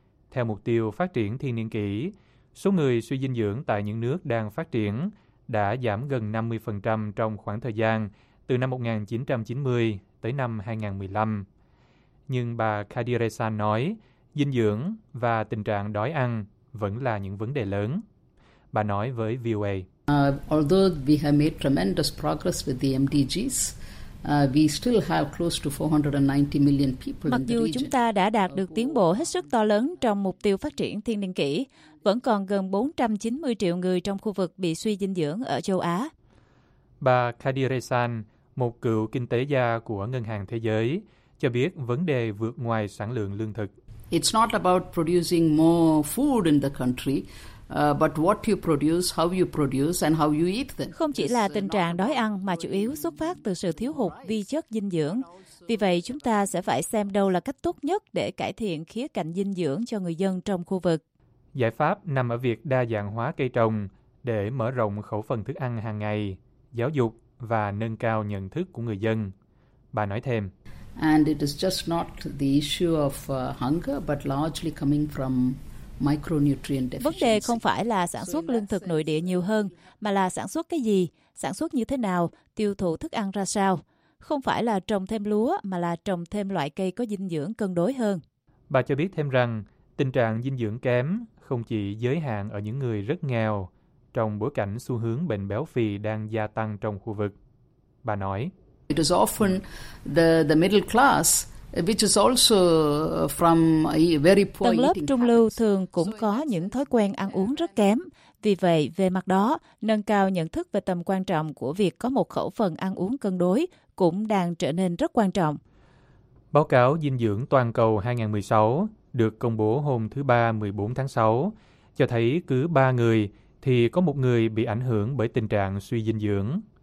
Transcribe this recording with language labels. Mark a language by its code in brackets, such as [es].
[vi] Theo mục tiêu phát triển thiên niên kỷ, số người suy dinh dưỡng tại những nước đang phát triển đã giảm gần 50% trong khoảng thời gian từ năm 1990 tới năm 2015. Nhưng bà Kadiresan nói, dinh dưỡng và tình trạng đói ăn vẫn là những vấn đề lớn. Bà nói với VOA. [en] Although we have made tremendous progress with the MDGs, we still have close to 490 million people in the region. [vi] Mặc dù chúng ta đã đạt được tiến bộ hết sức to lớn trong mục tiêu phát triển thiên niên kỷ, vẫn còn gần 490 triệu người trong khu vực bị suy dinh dưỡng ở châu Á. Bà Kadiresan, một cựu kinh tế gia của Ngân hàng Thế giới, cho biết vấn đề vượt ngoài sản lượng lương thực. [en] It's not about producing more food in the country, but what you produce, how you produce and how you eat them. [vi] Không chỉ là tình trạng đói ăn mà chủ yếu xuất phát từ sự thiếu hụt vi chất dinh dưỡng. Vì vậy, chúng ta sẽ phải xem đâu là cách tốt nhất để cải thiện khía cạnh dinh dưỡng cho người dân trong khu vực. Giải pháp nằm ở việc đa dạng hóa cây trồng để mở rộng khẩu phần thức ăn hàng ngày, giáo dục và nâng cao nhận thức của người dân. Bà nói thêm. [en] And it is just not the issue of hunger, but largely coming from micronutrient deficiency. [vi] Vấn đề không phải là sản xuất lương thực nội địa nhiều hơn, mà là sản xuất cái gì, sản xuất như thế nào, tiêu thụ thức ăn ra sao. Không phải là trồng thêm lúa, mà là trồng thêm loại cây có dinh dưỡng cân đối hơn. Bà cho biết thêm rằng, tình trạng dinh dưỡng kém không chỉ giới hạn ở những người rất nghèo, trong bối cảnh xu hướng bệnh béo phì đang gia tăng trong khu vực. Bà nói, [en] it is often the middle class, which is also from a very poor [vi] tầng lớp trung lưu thường cũng có những thói quen ăn uống rất kém. Vì vậy, về mặt đó, nâng cao nhận thức về tầm quan trọng của việc có một khẩu phần ăn uống cân đối cũng đang trở nên rất quan trọng. Báo cáo Dinh dưỡng Toàn cầu 2016 được công bố hôm thứ Ba 14 tháng 6 cho thấy cứ 3 người thì có một người bị ảnh hưởng bởi tình trạng suy dinh dưỡng.